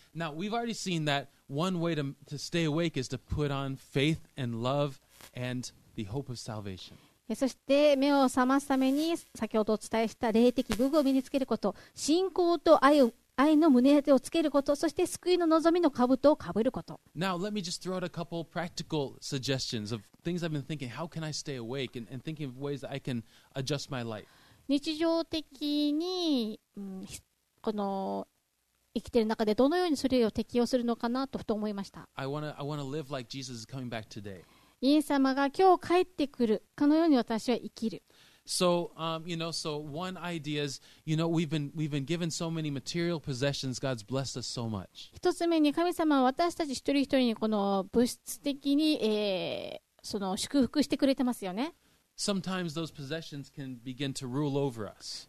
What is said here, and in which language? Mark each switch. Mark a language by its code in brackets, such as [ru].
[en] Now we've already seen that one way to stay awake is to put on faith and love and the hope of salvation. [ja] そして目を覚ますために先ほどお伝えした霊的武具を身につけること、信仰と愛の胸当てをつけること、そして救いの望みの兜をかぶること。 [en] Now, let me just throw out a couple practical suggestions of things I've been thinking. How can I stay awake and thinking of ways that I can adjust my life? [ja] 日常的に、この生きている中でどのようにそれを適用するのかなとふと思いました。 [en] I wanna live like Jesus is coming back today. [ja] イエス様が今日帰ってくるかのように私は生きる。 [en] So, so one idea is, you know, we've been given so many material possessions. God's blessed us so much. [ja] 一つ目に神様は私たち一人一人にこの物質的に、その祝福してくれてますよね。 [en] Sometimes those possessions can begin to rule over us.